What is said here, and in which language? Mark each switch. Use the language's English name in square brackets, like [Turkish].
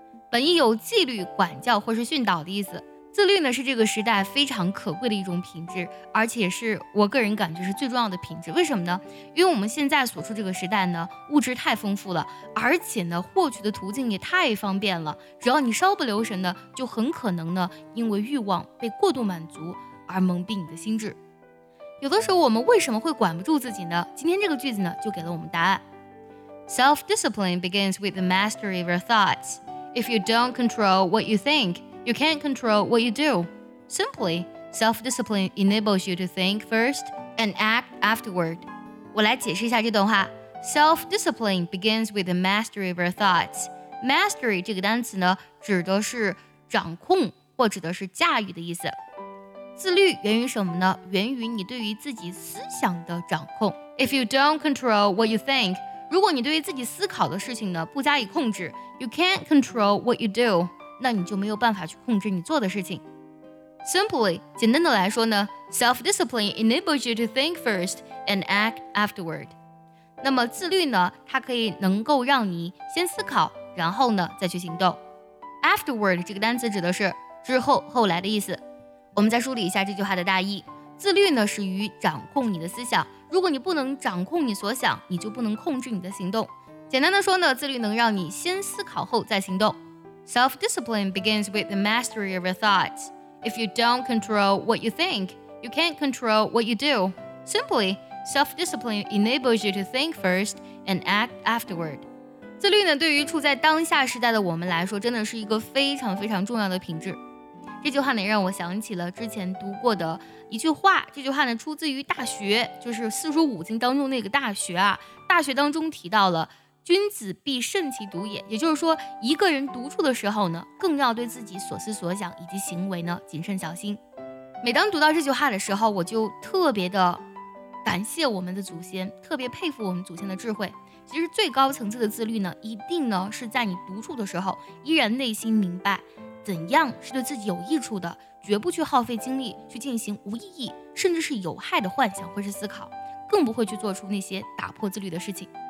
[Chinese] 本意有纪律管教或是训导的意思自律呢是这个时代非常可贵的一种品质而且是我个人感觉是最重要的品质为什么呢因为我们现在所处这个时代呢物质太丰富了而且呢获取的途径也太方便了只要你稍不留神呢就很可能呢因为欲望被过度满足而蒙蔽你的心智有的时候我们为什么会管不住自己呢今天这个句子呢就给了我们答案 [English] Self-discipline begins with the mastery of your thoughts If you don't control what you thinkYou can't control what you do. Simply, self-discipline enables you to think first and act afterward. [Chinese] 我来解释一下这段话。 [English] Self-discipline begins with the mastery of your thoughts. [Chinese] Mastery 这个单词呢，指的是掌控或指的是驾驭的意思。自律源于什么呢？源于你对于自己思想的掌控。 [English] If you don't control what you think, [Chinese] 如果你对于自己思考的事情呢，不加以控制 [English] you can't control what you do. [Chinese] 那你就没有办法去控制你做的事情。 [English] Simply, [Chinese] 简单的来说呢 [English] self-discipline enables you to think first and act afterward. [Chinese] 那么自律呢它可以能够让你先思考然后呢再去行动。 Afterward 这个单词指的是之后后来的意思。我们再梳理一下这句话的大意。自律呢是于掌控你的思想。如果你不能掌控你所想你就不能控制你的行动。简单的说呢自律能让你先思考后再行动。 [English] Self-discipline begins with the mastery of your thoughts. If you don't control what you think, you can't control what you do. Simply, self-discipline enables you to think first and act afterward. [Chinese] 自律呢，对于处在当下时代的我们来说，真的是一个非常非常重要的品质。这句话呢，让我想起了之前读过的一句话。这句话呢，出自于《大学》，就是四书五经当中那个《大学》啊，《大学》当中提到了。君子必慎其独也也就是说一个人独处的时候呢更要对自己所思所想以及行为呢谨慎小心每当读到这句话的时候我就特别的感谢我们的祖先特别佩服我们祖先的智慧其实最高层次的自律呢一定呢是在你独处的时候依然内心明白怎样是对自己有益处的绝不去耗费精力去进行无意义甚至是有害的幻想或是思考更不会去做出那些打破自律的事情